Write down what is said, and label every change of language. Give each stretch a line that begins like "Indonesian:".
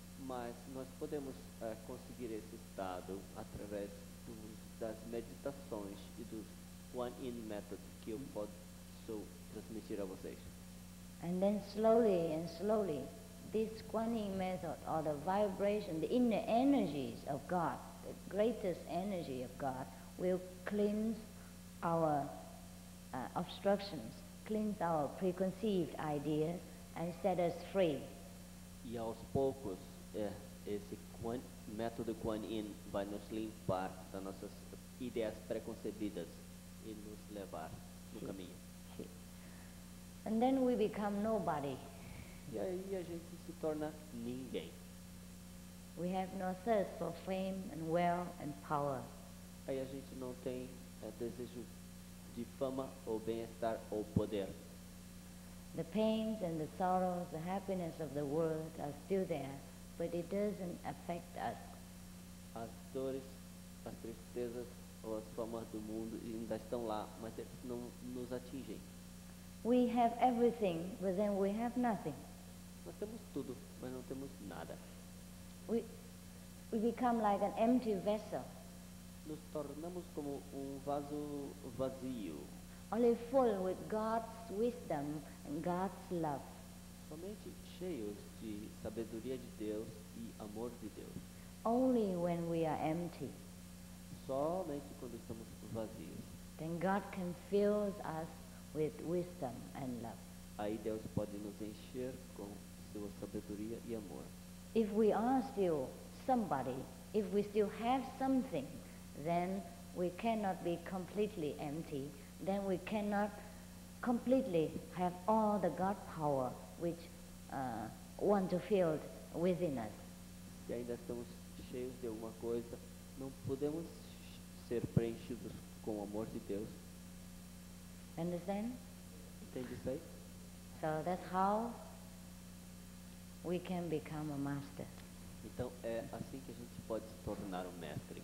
Portuguese: Mas nós podemos conseguir esse estado através das meditações e dos Quan Yin method que eu posso transmitir a vocês.
English: And then slowly and slowly, this Quan Yin method or the vibration, the inner energies of God, the greatest energy of God, will cleanse our obstructions, cleanse our preconceived ideas, and set us free.
Portuguese: E aos poucos, esse método Quan Yin vai nos limpar das nossas ideias preconcebidas e nos levar no caminho.
English: And then we become nobody.
Portuguese: E aí a gente se torna ninguém.
English: We have no thirst for fame and wealth and power.
Portuguese: Aí a gente não tem desejo de fama ou bem-estar ou poder.
English: The pains and the sorrows, the happiness of the world are still there, but it doesn't affect us.
Portuguese: As dores, as tristezas ou as famas do mundo ainda estão lá, mas eles não nos atingem.
English: We have everything, but then we have nothing.
Portuguese: Nós temos tudo, mas não temos nada.
English: We become like an empty vessel.
Portuguese: Nos tornamos como vaso vazio.
English: Only full with God's wisdom and God's love.
Portuguese: Somente cheios de sabedoria de Deus e amor de Deus.
English: Only when we are empty.
Portuguese: Somente quando estamos vazios.
English: Then God can fill us with wisdom and love.
Portuguese: Aí Deus pode nos encher com sua sabedoria e amor.
English: If we are still somebody, if we still have something, then we cannot be completely empty, then we cannot completely have all the God power which want to feel within us.
Portuguese: Se ainda estamos cheios de alguma coisa, não podemos ser preenchidos com o amor de Deus.
English: Understand?
Portuguese: Entende isso aí?
English: So that's how we can become a master.
Portuguese: Então é assim que a gente pode se tornar mestre.